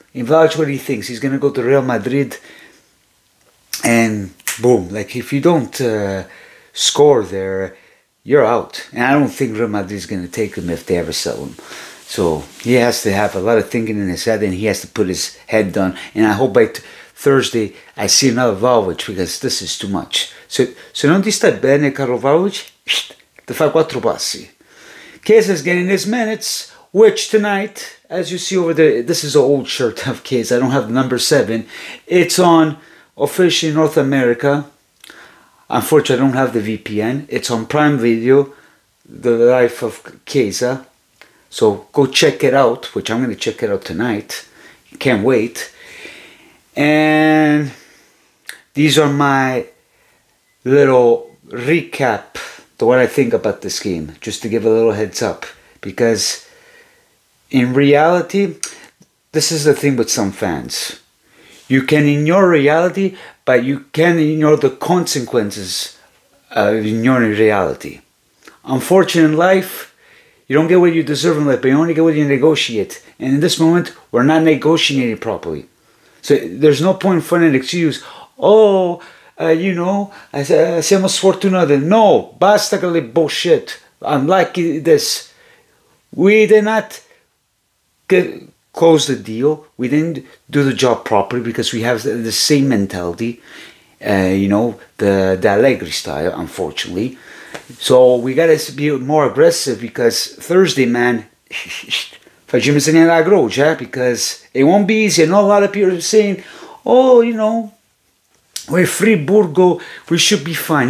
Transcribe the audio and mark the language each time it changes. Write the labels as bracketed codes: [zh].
[en] In Vlahovic, what he thinks, he's going to go to Real Madrid, and boom, like, if you don't score there, you're out. And I don't think Real Madrid is going to take him if they ever sell him. So he has to have a lot of thinking in his head, and he has to put his head down. And I hope by Thursday I see another Vlahovic, because this is too much. [it] Se non ti stai bene, caro Vlahovic, ti fa quattro passi. [en] Chiesa is getting his minutes, which tonight, as you see over there, this is an old shirt of Chiesa. I don't have the number 7. It's on officially North America. Unfortunately, I don't have the VPN. It's on Prime Video, The Life of Chiesa. So go check it out, which I'm going to check it out tonight. Can't wait. And these are my little recap, the what I think about this game, just to give a little heads up. Because in reality, this is the thing with some fans. You can ignore reality, but you can't ignore the consequences of ignoring reality. Unfortunately, in life, you don't get what you deserve in life, but you only get what you negotiate. And in this moment, we're not negotiating properly. So there's no point in finding an excuse. Oh, you know, [it] siamo sfortunati. No, basta con le bullshit. [en] Unlike this, we did not get close the deal. We didn't do the job properly because we have the same mentality, you know, the Allegri style, unfortunately. So we got to be more aggressive because Thursday, man, [it] facciamo segnare la croce, [en] because it won't be easy. I know a lot of people are saying, oh, you know, with Friburgo, we should be fine.